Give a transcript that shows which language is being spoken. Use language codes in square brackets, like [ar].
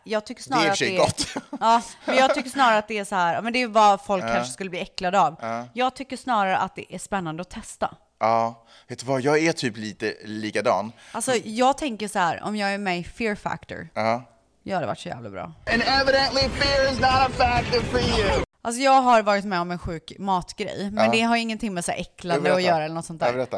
[sv] Jag tycker snarare det är att det är, ja, men jag tycker snarare att det är så här, men det är vad folk kanske skulle bli äcklade av. Jag tycker snarare att det är spännande att testa. Ja, vet du vad, jag är typ lite likadan. Alltså jag tänker så här, om jag är med i Fear Factor. Ja. Jag hade varit så jävla bra. [en] And evidently fear is not a factor for you. [sv] Alltså jag har varit med om en sjuk matgrej, men det har ingenting med så här äcklande att göra eller något sånt där.